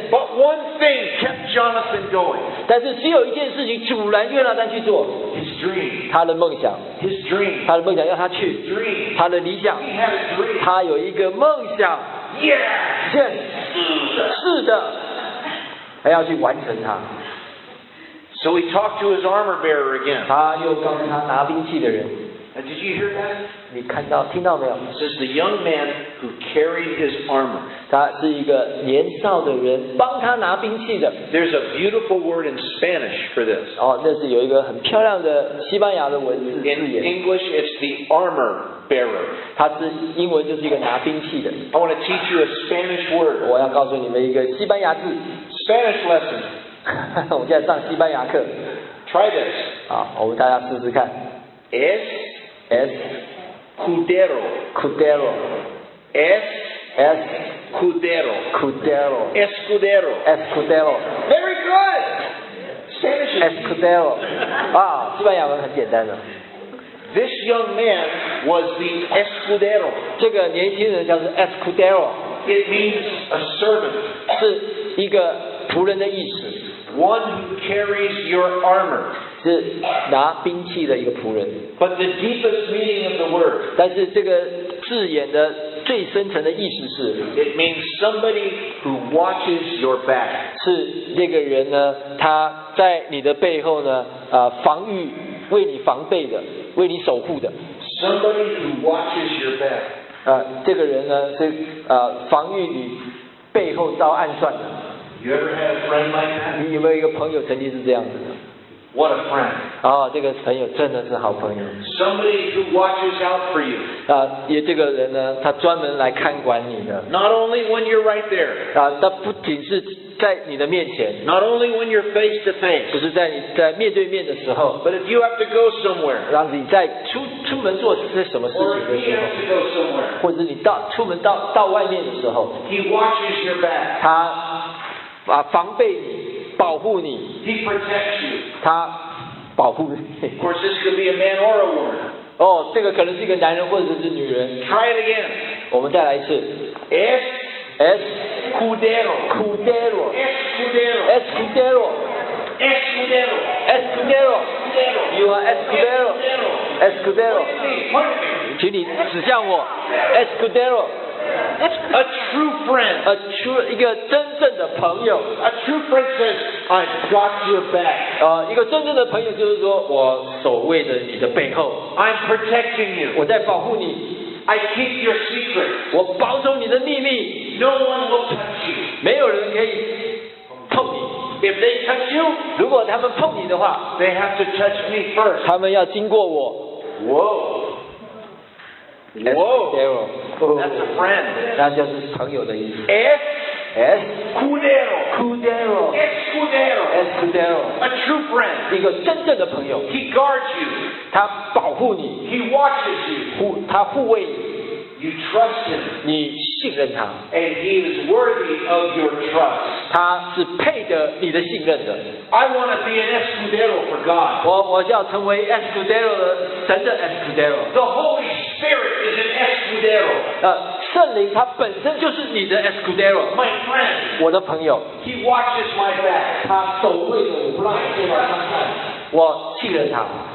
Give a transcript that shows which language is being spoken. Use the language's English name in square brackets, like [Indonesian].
[English] But one thing kept Jonathan going. [Chinese] 但是只有一件事情阻拦约拿单去做。他的梦想， [English] His dream. [Chinese] 他的梦想要他去， [English] His dream. [Chinese] 他的理想， [English] He had a dream. [Chinese] 他有一个梦想， [English] yes. Yes. [Chinese] 是的他要去完成他。 [English] So he talked to his armor bearer again. [Chinese] 他又告诉他拿兵器的人。 [English] Did you hear that? [Chinese] 你看到听到没有？ [English] It says the young man who came carried his armor. [Chinese] 他是一个年少的人，帮他拿兵器的。 [English] There's a beautiful word in Spanish for this. [Chinese] 哦，那是有一个很漂亮的西班牙的文字。 [English] In English, it's the armor bearer. [Chinese] 他是英文就是一个拿兵器的。 [English] I want to teach you a Spanish word. [Chinese] 我要告诉你们一个西班牙字。 [English] Spanish lesson. [Chinese] 我们现在上西班牙课。 [English] Try this. [Chinese] 好，我们大家试试看。 [Spanish] Es. Es. Cudero. Cudero. Es. Es. Cudero. Cudero. Escudero. Escudero. [English] Very good! Spanish. [Spanish] Escudero. [Chinese] Ah, 西班牙文很简单的。 [English] This young man was the escudero. [Chinese] 这个年轻人叫做 escudero. [English] It means a servant. [Chinese] 是一个仆人的意思。 [English] One who carries your armor. [Chinese] 是拿兵器的一个仆人。 [English] But the deepest meaning of the word, [Chinese] 但是这个字眼的最深层的意思是 [English] it means somebody who watches your back. [Chinese] 是那个人呢他在你的背后呢、防御为你防备的为你守护的 [English] somebody who watches your back. [Chinese] 这个人呢是、防御你背后遭暗算的。 [English] You ever had a friend like that? [Chinese] 你有没有一个朋友曾经是这样子的？ [English] What a friend. [Chinese] 哦，这个朋友真的是好朋友。 [English] Somebody who watches out for you. [Chinese] 也这个人呢，他专门来看管你的。 [English] Not only when you're right there. [Chinese] 他不仅是在你的面前。 [English] Not only when you're face to face. [Chinese] 不是在你在面对面的时候。 [English] But if you have to go somewhere. [Chinese] 让你在出门做些什么事情的时候。 [English] Or if you have to go somewhere. [Chinese] 或者你到出门到外面的时候。 [English] He watches your back. [Chinese] 他防备你。保护你 [English] He protects you. [Chinese] 他保护你 [English] Of course, this could be a man or a woman. [Chinese] 哦，这个可能是一个男人或者是女人 [English] Try it again. [Chinese] 我们再来一次 [Spanish] Es Escudero. Escudero. Escudero. Escudero. Escudero. Escudero. [English] You are Escudero. Escudero. [Chinese] 请你指向我 Escudero. [English] A true friend. A true, [Chinese] 一个真正的朋友 [English] A true friend says, I've got your back. [Chinese] 一个真正的朋友就是说我守卫着你的背后 [English] I'm protecting you. [Chinese] 我在保护你 [English] I keep your secret. [Chinese] 我保守你的秘密 [English] No one will touch you. [Chinese] 没有人可以碰你 [English] If they touch you, [Chinese] 如果他们碰你的话 [English] they have to touch me first. [Chinese] 他们要经过我 Whoa. Whoa, [English] that's a friend. [Chinese] 那就是朋友的意思。 [Spanish] Escudero, Escudero, Escudero, Escudero, [English] a true friend. [Chinese] 一个真正的朋友。 [English] He guards you. [Chinese] 他保护你。 [English] He watches you. [Chinese] 他护卫你。 [English] You trust him. [Chinese] 你信任他。 [English] And he is worthy of your trust. [Chinese] 他是配得你的信任的。 [English] I want to be an Escudero for God. [Chinese] 我要成为 Escudero 的神的 Escudero. [English] The Holy Spirit is an Escudero. [Chinese] 圣灵他本身就是你的 Escudero. [English] My friend. [Chinese] 我的朋友。 [English] He watches my back. [Chinese] 他守卫着我，不让我受到伤害。我信任他。